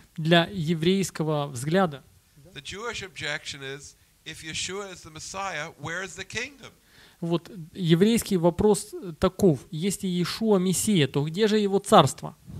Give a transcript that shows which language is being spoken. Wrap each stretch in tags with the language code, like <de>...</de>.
<ru>для еврейского взгляда.</ru> <en>The Jewish objection is, if Yeshua is the Messiah, where is the kingdom?</en> <ru>Вот еврейский вопрос таков: если Иешуа Мессия, то где же его царство?</ru>